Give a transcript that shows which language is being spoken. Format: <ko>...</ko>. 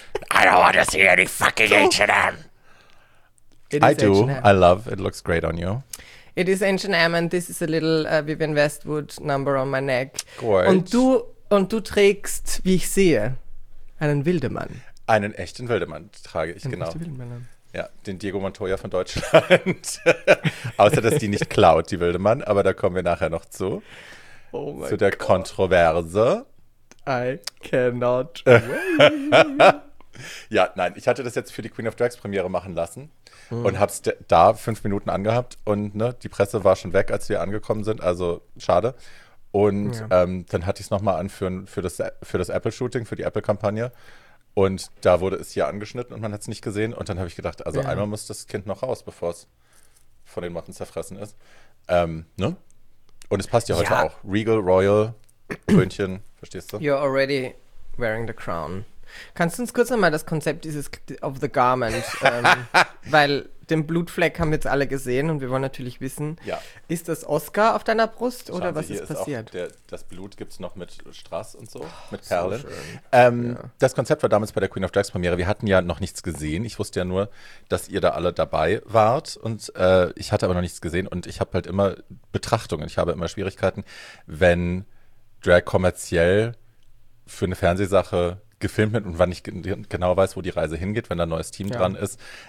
<en>I don't want to see any fucking H&M. I do. H&M. I love. It looks great on you. It is H&M and this is a little Vivienne Westwood number on my neck. Gorge.</en> <de>Und du trägst, wie ich sehe, einen Wildemann. Einen echten Wildemann trage ich, genau. Echten Wildemann. Ja, den Diego Montoya von Deutschland. Außer, dass die nicht klaut, die Wildemann. Aber da kommen wir nachher noch zu. Oh mein Gott. Zu der Kontroverse.</de> <en>I cannot wait.</en> <de>Ja, nein, ich hatte das jetzt für die Queen of Drags Premiere machen lassen und habe es da 5 Minuten angehabt und ne, die Presse war schon weg, als wir angekommen sind, also schade. Und ja. Dann hatte ich es nochmal an für das Apple-Shooting, für die Apple-Kampagne und da wurde es hier angeschnitten und man hat es nicht gesehen und dann habe ich gedacht, also einmal muss das Kind noch raus, bevor es von den Motten zerfressen ist. Ne? Und es passt ja heute auch. Regal, Royal, Krönchen, verstehst du?</de> <en>You're already wearing the crown.</en> <de>Kannst du uns kurz nochmal das Konzept dieses</de> <en>of the garment,</en> <de>weil den Blutfleck haben jetzt alle gesehen und wir wollen natürlich wissen, ist das Oscar auf deiner Brust oder was ist passiert? Das Blut gibt es noch mit Strass und so, mit Perlen. Das Konzept war damals bei der Queen of Drags Premiere, wir hatten ja noch nichts gesehen, ich wusste ja nur, dass ihr da alle dabei wart und ich hatte aber noch nichts gesehen und ich habe halt immer Betrachtungen, ich habe immer Schwierigkeiten, wenn Drag kommerziell für eine Fernsehsache gefilmt mit und wann ich genau weiß, wo die Reise hingeht, wenn da ein neues Team dran ist.</de>